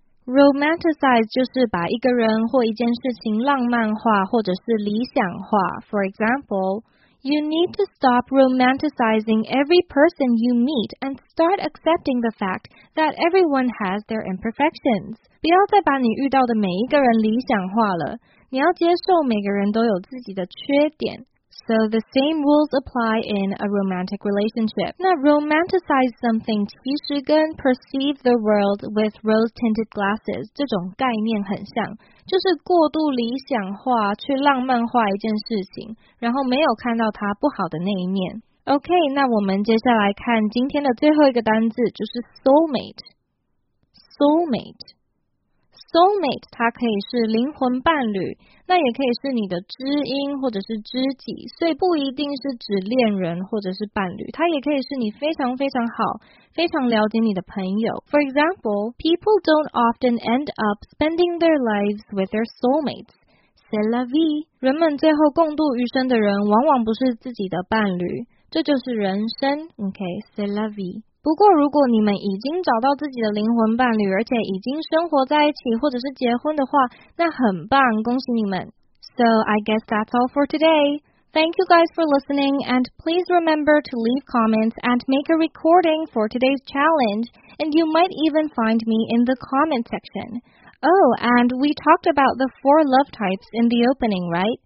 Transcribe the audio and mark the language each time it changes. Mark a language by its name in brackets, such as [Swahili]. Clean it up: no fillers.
[Chinese] Romanticize 就是把一个人或一件事情浪漫化或者是理想化。 [English] For example, you need to stop romanticizing every person you meet and start accepting the fact that everyone has their imperfections. [Chinese] 不要再把你遇到的每一个人理想化了，你要接受每个人都有自己的缺点。 [English] So the same rules apply in a romantic relationship. [Chinese] 那 romanticize something 其实跟 [English] perceive the world with rose-tinted glasses [Chinese] 这种概念很像，就是过度理想化，去浪漫化一件事情，然后没有看到它不好的那一面。 OK, 那我们接下来看今天的最后一个单字，就是 soulmate. [English] Soulmate. [Chinese] Soulmate 它可以是灵魂伴侣，那也可以是你的知音或者是知己，所以不一定是指恋人或者是伴侣，它也可以是你非常非常好，非常了解你的朋友。 [English] For example, people don't often end up spending their lives with their soulmates. [French] C'est la vie. [Chinese] 人们最后共度余生的人往往不是自己的伴侣，这就是人生。 [French] OK, c'est la vie. [Chinese] 不过如果你们已经找到自己的灵魂伴侣，而且已经生活在一起或者是结婚的话，那很棒，恭喜你们。 [English] So I guess that's all for today. Thank you guys for listening and please remember to leave comments and make a recording for today's challenge and you might even find me in the comment section. Oh, and we talked about the four love types in the opening, right?